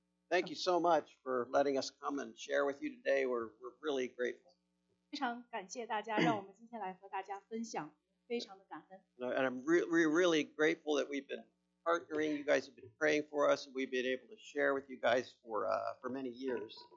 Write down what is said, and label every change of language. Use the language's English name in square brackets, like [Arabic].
[English] Thank you so much for letting us come and share with you today. We're really grateful. [Chinese] 非常感谢大家让我们今天来和大家分享，非常的感恩。 [English] And I'm really grateful that we've been partnering. You guys have been praying for us, and we've been able to share with you guys for many years.